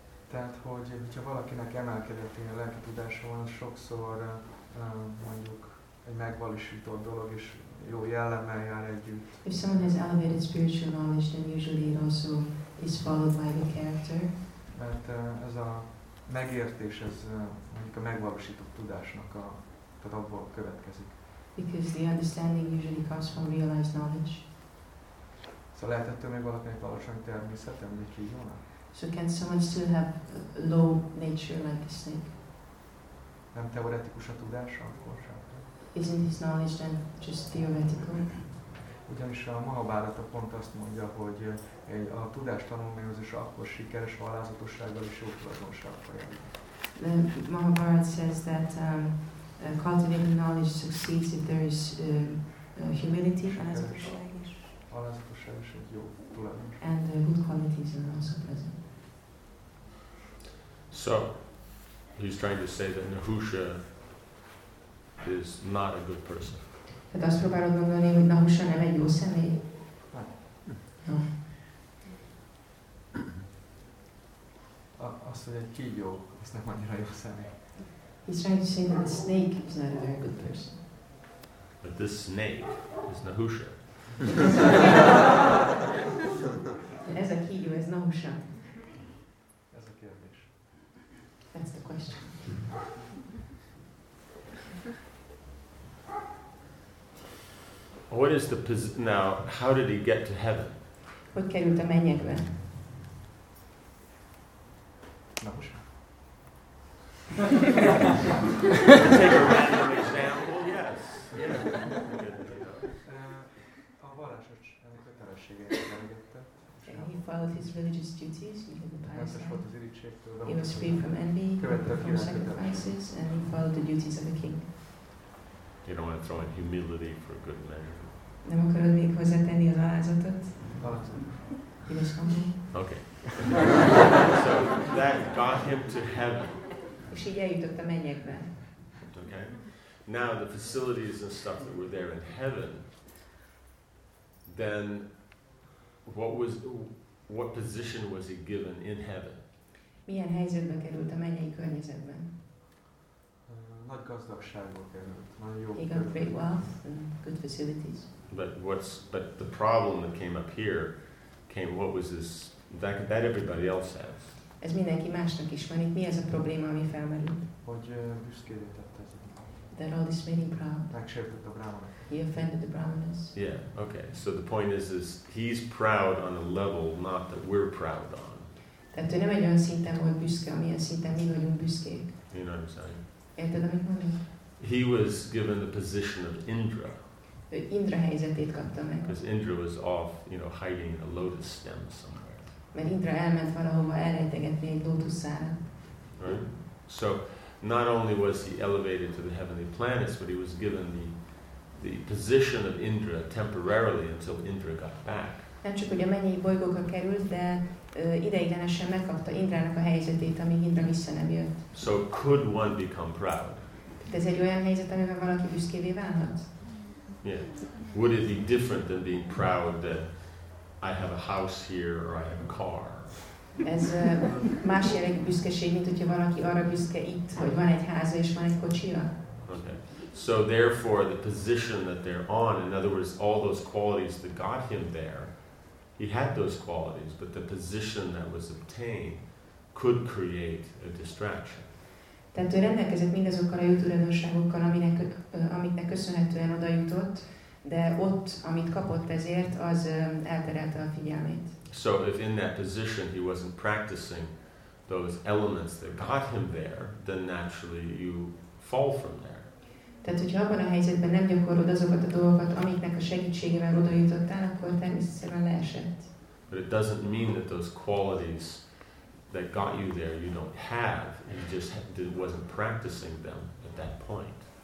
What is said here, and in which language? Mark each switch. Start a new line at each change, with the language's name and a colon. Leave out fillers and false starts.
Hungarian: Tehát hogy valakinek emelkedett ilyen lelki tudása van, sokszor mondjuk egy megvalósított dolog és jó jellemmel jár együtt.
English: If someone has elevated spiritual knowledge, then usually it also is followed by the character.
Hungarian: Mert ez a megértés, ez mondjuk a megvalósított tudásnak tehát abból következik.
English: Because the understanding usually comes from realized knowledge.
Hungarian: Szóval lehet ettől még valakinek valósan természetem, mint kígyónak?
English: So can someone still have low nature like a snake?
Hungarian: Nem teoretikus a tudása, akkor sem.
English: Isn't his knowledge then just theoretical?
Hungarian: Ugyanis a Mahabharata pont azt mondja, hogy a tudás tanulmányozás akkor sikeres, ha alázatossággal és jó tulajdonsággal jár.
English: Mahabharata says that cultivating knowledge succeeds if there is humility and
Hungarian: alázatosság is. Egy jó tulajdonság.
English: And good qualities are also present. So, he's trying to say that Nahusha is not a good person.
Hungarian: Tehát azt próbálod mondani, hogy Nahusha nem egy jó személy? Azt, hogy egy kígyó, az nem annyira jó személy.
English: He's trying to say that a snake is not a very good person. But this snake is Nahusha.
Hungarian: Ez a kígyó, ez Nahusha. Ez a kérdés.
English: That's the question. What is the position now? How did he get to heaven?
Hungarian: Hogy került a mennyekbe?
English: Nahusha. Take a random example, yes. Yeah.
Hungarian: A vallásos kötelességét elvégezte.
English: He followed his religious duties, he did the pious act. He was free from envy, from sacrifices, and he followed the duties of the king. You don't want to throw in humility for a good measure.
Hungarian: Nem akarod még hozzátenni az alázatot?
English: Okay. So that got him to heaven.
Hungarian: És így eljutott a mennyekbe.
English: Okay. Now the facilities and stuff that were there in heaven, then what position was he given in heaven?
Hungarian: Milyen helyzetbe került a mennyei környezetben? Nagy gazdagságban került. Nagyon jó.
English: He got great wealth and good facilities. But the problem that came up here came, what was this, that everybody else has.
Hungarian: Ez mindenki másnak is van itt. Mi ez a probléma, ami felmerült? Hogy büszkévé tett ez.
English: That all this made him proud.
Hungarian: Megsértett a brahmanát.
English: He offended the brahmanas. Yeah, okay. So the point is he's proud on a level not that we're proud on.
Hungarian: Tehát ő nem egy olyan szinten volt büszke, amilyen szinten mi vagyunk büszkék.
English: You know what I'm saying?
Hungarian: Érted, amit mondom?
English: He was given the position of Indra.
Hungarian: Indra helyzetét kapta meg.
English: Because Indra was off, you know, hiding a lotus stem somewhere.
Hungarian: Mert Indra elment valahova elrejtegetni egy lótusz szárat.
English: Right? So, not only was he elevated to the heavenly planets, but he was given the position of Indra temporarily until Indra got back.
Hungarian: Nem csak, hogy a mennyei bolygókra került, de ideiglenesen megkapta Indrának a helyzetét, amíg Indra vissza nem jött.
English: So, could one become proud?
Hungarian: Tehát ez egy olyan helyzet, amiben valaki büszkévé válhat?
English: Yeah. Would it be different than being proud that I have a house here or I have a car?
Hungarian: Ez más jellegű büszkeség, mint hogyha valaki arra büszke itt, hogy van egy háza és van egy kocsia.
English: Okay. So therefore the position that they're on, in other words, all those qualities that got him there, he had those qualities, but the position that was obtained could create a distraction.
Hungarian: Tehát ő rendelkezett mindazokkal a jó tulajdonságokkal, amiknek köszönhetően oda jutott, de ott, amit kapott ezért, az elterelte a figyelmét.
English: So if in that position he wasn't practicing those elements that got him there, then naturally you fall from there.
Hungarian: Tehát, hogyha abban a helyzetben nem gyakorod azokat a dolgokat, amiknek a segítségével oda jutottál, akkor természetesen leesett.
English: But it doesn't mean that those qualities that got you there you don't have, and you just wasn't practicing them at that point.